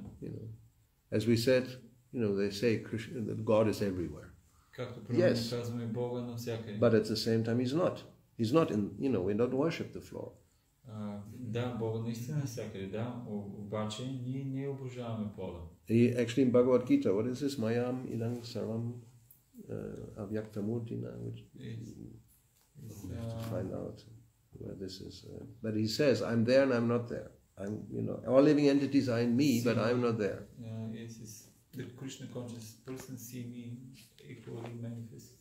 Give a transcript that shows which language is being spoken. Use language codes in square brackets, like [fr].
[en] You know, as we said, you know, they say Krishna, that God is everywhere. [bg] Както правилно казваме, Бога навсякъде. [en] But at the same time he's not. He's not in, you know, we don't worship the floor. [bg] Да, Бог наистина всякъде, да, обаче ние не обожаваме пола. [en] He actually in Bhagavad Gita, what is this? [sa] Mayam idang sarvam avyaktamurtina, [en] which we have to find out where this is. But he says, I'm there and I'm not there. I'm, you know, all living entities are in me, but I'm not there. Yes, it's the Krishna conscious person see me equally manifest.